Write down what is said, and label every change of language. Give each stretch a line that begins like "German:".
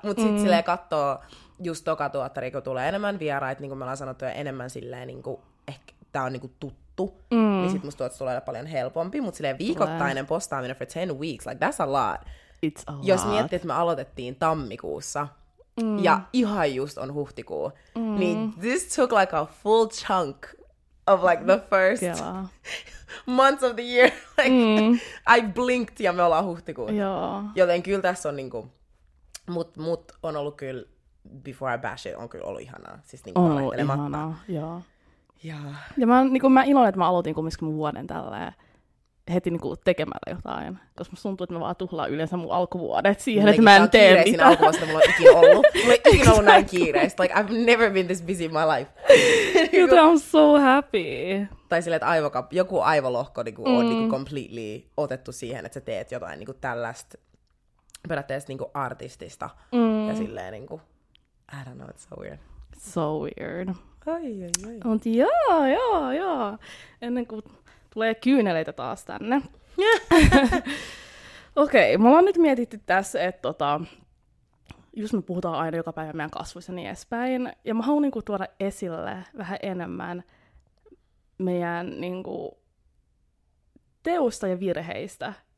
Finnish: Mutta sitten silleen katsoo just toka tuottari, kun tulee enemmän vieraita, niin kuin me ollaan sanottu, ja enemmän silleen, niin kuin, ehkä tää on niin kuin tuttu, niin sitten musta tuottari tulee paljon helpompi, mutta silleen viikoittainen postaaminen
English: for 10 weeks, like that's a lot. It's a lot.
Finnish: Jos miettii, että me aloitettiin tammikuussa, ja ihan just on huhtikuu. Mm.
English: Niin this took like a full chunk of like the first months of the year. Like, I blinked
Finnish: ja me ollaan huhtikuun. Joo. Joten kyllä tässä on niinku, mut on ollut kyllä,
English: before I bash it,
Finnish: on kyllä ollut ihanaa. Siis niinku on ollut ihanaa, joo.
English: Yeah.
Finnish: Ja mä, niinku, mä iloinen, että mä aloitin kumminkin mun vuoden tälleen. Heti niin tekemällä jotain, koska musta tuntuu, että mä vaan tuhlaan yleensä mun alkuvuodet siihen, minäkin, että mä en tee mitään. Minäkin olen kiireisin alkuvuodesta, mulla on ikinä ollut. Mulla ei ikinä ollut näin kiireistä.
English: Like, I've never been this busy in my life. Joten I'm so happy.
Finnish: Tai silleen, että joku aivolohko niin kuin, on niin kuin completely otettu siihen, että sä teet jotain niin kuin tällaista periaatteessa niin kuin artistista. Ja silleen, niin kuin,
English: I don't know, it's so weird. So weird. Ai.
Finnish: Mutta joo. Ennen kuin tulee kyyneleitä taas tänne. Okei, okay, me ollaan nyt mietitty tässä, että just me puhutaan aina joka päivä meidän kasvoissa niin edespäin. Ja mä haluan niin kuin, tuoda esille vähän enemmän meidän niin kuin, teosta ja virheistä.